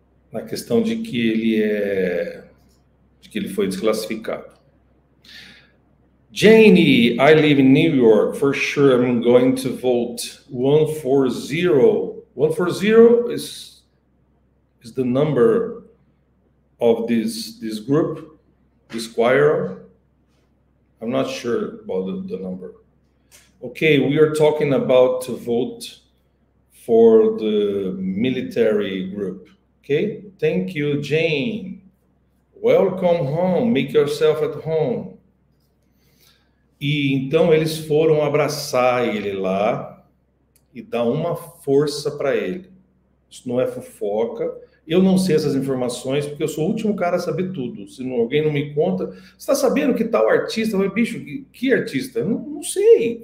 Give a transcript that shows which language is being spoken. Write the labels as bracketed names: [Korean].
[Portuguese] Na questão de que ele é, de que ele foi desclassificado. [English] Jane, I live in New York. For sure, I'm going to vote 140. 140 is the number of this group, this choir. I'm not sure about the number. Okay, we are talking about to vote for the military group. Okay, thank you, Jane. Welcome home, make yourself at home. [Portuguese] E então eles foram abraçar ele lá e dar uma força para ele. Isso não é fofoca. Eu não sei essas informações porque eu sou o último cara a saber tudo. Se não, alguém não me conta, você está sabendo que tal artista? Mas, bicho, que artista? Não sei.